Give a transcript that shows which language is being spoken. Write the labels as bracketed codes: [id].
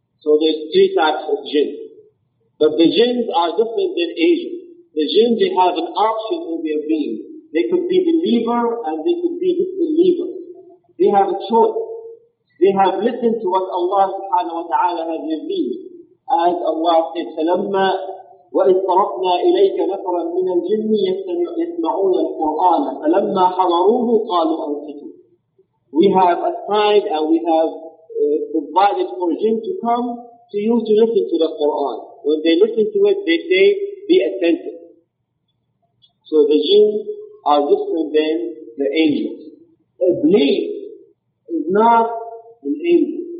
[en] So there's three types of jinn. But the jinns are different than angels. The jinn, they have an option in their being. They could be believer and they could be disbeliever. They have a choice. They have listened to what Allah subhanahu wa ta'ala has revealed. As Allah said, [ar] فَلَمَّا وَإِذْ طَرَقْنَا إِلَيْكَ نَفْرًا مِنَ الْجِنِّ يَسْمَعُونَ الْقُرْآنَ فَلَمَّا حَضَرُوهُ قَالُوا أَنْصِتُوا. [en] We have assigned and we have provided for jinn to come to you to listen to the Qur'an. When they listen to it, they say, be attentive. So the jinn are different than the angels. Iblis is not an angel.